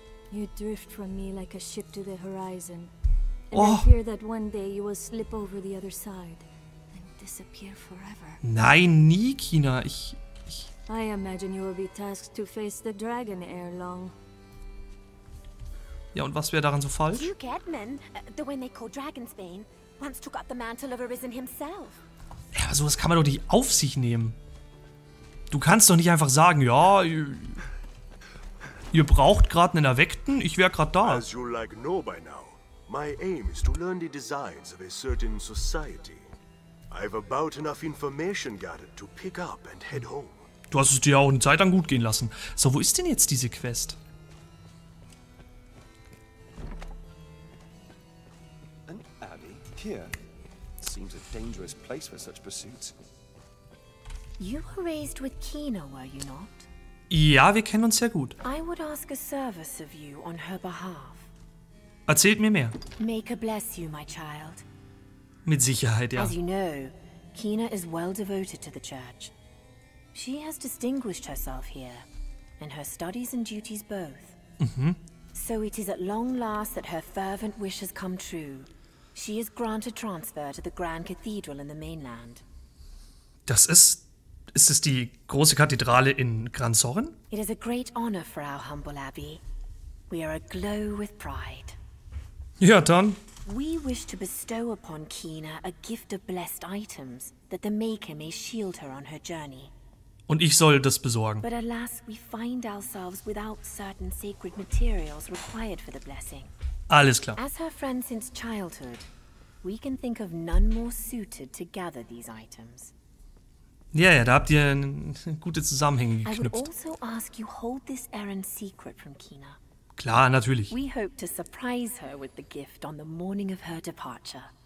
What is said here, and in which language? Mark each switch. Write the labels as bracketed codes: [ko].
[en] You drift from me like a ship to the horizon. And I fear that one day you will slip over the other side and disappear forever. [de] Nein, nie, [en] Kina. I imagine you will be tasked to face the dragon ere long. [de] Ja, und was wäre daran so falsch? [en] Hugh Gedman, the one they call Dragonsbane, once took up the mantle of Arisen himself. [de] Ja, aber sowas kann man doch nicht auf sich nehmen. Du kannst doch nicht einfach sagen, ja, ihr braucht gerade einen Erweckten, ich wäre gerade da. [en] As you like know by now, my aim is to learn the designs of a certain society. I've about enough information gathered to pick up and head home. [de] Du hast es dir auch eine Zeit lang gut gehen lassen. So, wo ist denn jetzt diese Quest? [en] Abby, here. Seems a dangerous place for such pursuits. You were raised with Kina, were you not? [de] Ja, wir kennen uns sehr gut. [en] I would ask a service of you on her behalf. [de] Erzählt mir mehr. [en] Maker bless you, my child. [de] Mit Sicherheit, ja. [en] As you know, Kina is well devoted to the church. She has distinguished herself here, in her studies and duties both. Mhm. So it is at long last that her fervent wish has come true. She is granted transfer to the Grand Cathedral in the mainland. [de] Das ist... Ist es die große Kathedrale in Gran Sorin? [en] It is a great honor for our humble abbey. We are aglow with pride. [de] Ja, dann. [en] We wish to bestow upon Kina a gift of blessed items, that the Maker may shield her on her journey. [de] Und ich soll das besorgen. [en] But alas, we find ourselves without certain sacred materials required for the blessing. [de] Alles klar. [en] As her friend since childhood, we can think of none more suited to gather these items. [de] Ja, ja, da habt ihr gute Zusammenhänge geknüpft. [en] I would also ask you hold this errand secret from Kina. [de] Klar, natürlich. [en] We hope to surprise her with the gift on the morning of her departure.